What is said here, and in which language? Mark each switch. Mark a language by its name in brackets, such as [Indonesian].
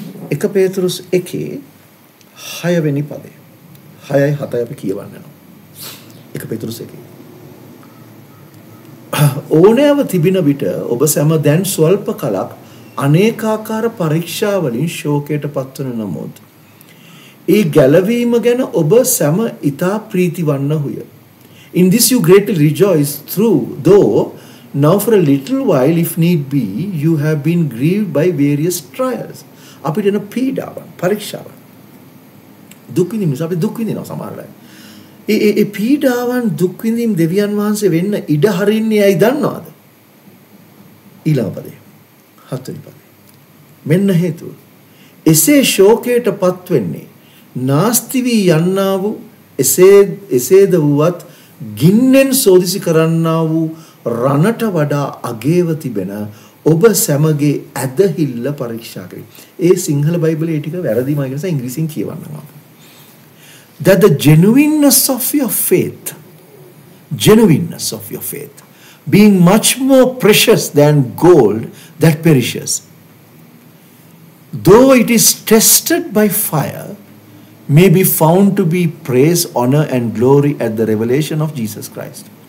[Sinhala] 1 පේතෘස් 1 6 පදේ 6යි 7යි අපි කියවන්න යනවා. 1 පේතෘස් 1. ඕනෑව තිබින විට ඔබ සැම දැන් ස්වල්ප කලක් අනේකාකාර පරීක්ෂා වලින් ශෝකයට පත්වන නමුත් ඒ ගැළවීම ගැන ඔබ සැම ඉතා ප්‍රීතිවන්න හුය. [English] In this you greatly rejoice through, though now for a little while if need be you have been grieved by various trials. [Sinhala] අපිට එන පීඩාවන්, පරීක්ෂාවන්, දුක් විඳීම නිසා අපි දුක් විඳිනවා සමහරවිට. ඒ පීඩාවන් දුක් විඳීම් දෙවියන් වහන්සේ වෙන්න ඉඩ හරින්නේ ඇයි දන්නවද? ඊළඟ පදේ 7 පදේ මෙන්න හේතුව. එසේ ශෝකයට පත් වෙන්නේ නාස්ති වී යන්නා වූ එසේද වුවත් ගින්නෙන් සෝදිසි කරන්නා වූ රණට වඩා අගේව තිබෙන ඔබ සැමගේ ඇදහිල්ල පරීක්ෂා කරයි. ඒ සිංහල බයිබලයේ ටික වැරදිමයි කියලා ඉංග්‍රීසියෙන් කියවන්නවා. [English] that the genuineness of your faith, genuineness of your faith, being much more precious than gold that perishes, though it is tested by fire, may be found to be praise, honor, and glory at the revelation of Jesus Christ.